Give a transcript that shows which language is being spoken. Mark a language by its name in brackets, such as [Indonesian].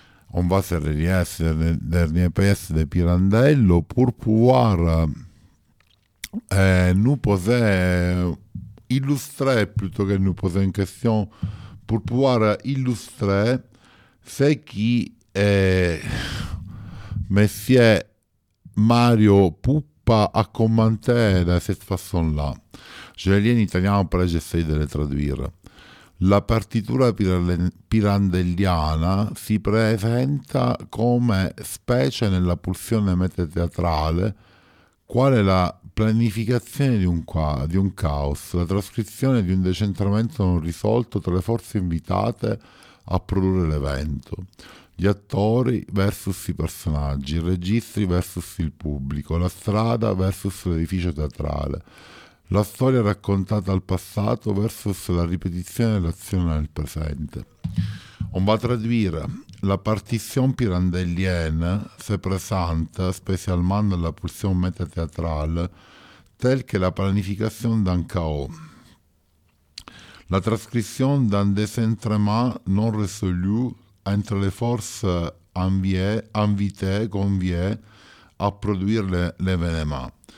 [French] On va se relier à ces dernières pièces de Pirandello pour pouvoir nous poser, illustrer plutôt que nous poser une question, pour pouvoir illustrer ce qui est Monsieur Mario Puppa a commenté de cette façon-là. Je l'ai en italien, après j'essaie de le traduire. [Italian] La partitura pirandelliana si presenta come specie nella pulsione metateatrale, quale la planificazione di un caos, la trascrizione di un decentramento non risolto tra le forze invitate a produrre l'evento. Gli attori versus i personaggi, i registri versus il pubblico, la strada versus l'edificio teatrale. La storia raccontata al passato versus la ripetizione dell'azione nel presente. [French] On va traduire. La partition pirandellienne se presenta spécialement dans la pulsion métathéâtrale telle que la planification d'un chaos. La transcription d'un décentrement non résolu entre les forces invitées, conviées à produire l'événement.